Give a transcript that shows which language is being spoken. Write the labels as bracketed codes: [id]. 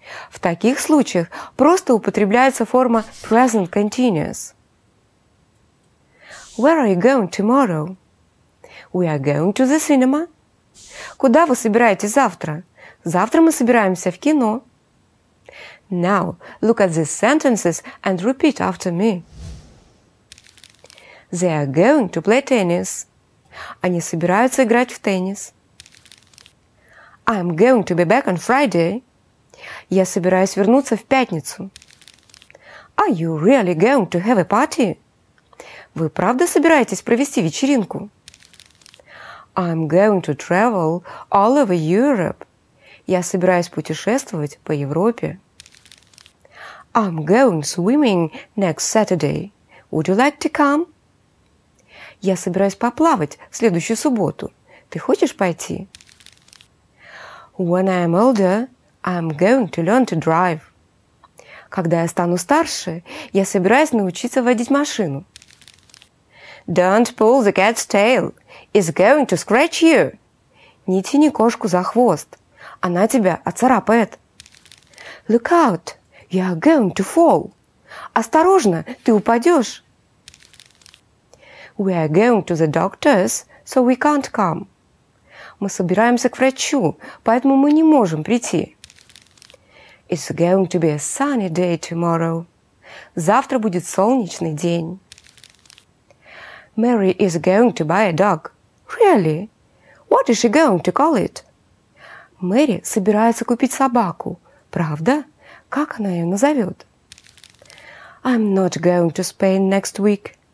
[ru] В таких случаях просто употребляется форма present continuous. [en] Where are you going tomorrow? We are going to the cinema. [ru] Куда вы собираетесь завтра? Завтра мы собираемся в кино. [en] Now, look at these sentences and repeat after me. They are going to play tennis. [ru] Они собираются играть в теннис. [en] I'm going to be back on Friday. [ru] Я собираюсь вернуться в пятницу. [en] Are you really going to have a party? [ru] Вы правда собираетесь провести вечеринку? [en] I'm going to travel all over Europe. [ru] Я собираюсь путешествовать по Европе. [en] I'm going swimming next Saturday. Would you like to come? [ru] Я собираюсь поплавать в следующую субботу. Ты хочешь пойти? [en] When I'm older, I'm going to learn to drive. [ru] Когда я стану старше, я собираюсь научиться водить машину. [en] Don't pull the cat's tail. It's going to scratch you. [ru] Не тяни кошку за хвост. Она тебя оцарапает. [en] Look out! You're going to fall. [ru] Осторожно, ты упадешь. [en] We are going to the doctors, so we can't come. [ru] Мы собираемся к врачу, поэтому мы не можем прийти. [en] It's going to be a sunny day tomorrow. [ru] Завтра будет солнечный день. [en] Mary is going to buy a dog. Really? What is she going to call it? [ru] Мэри собирается купить собаку. правда? Как она ее назовет? [en] I'm not going to Spain next week.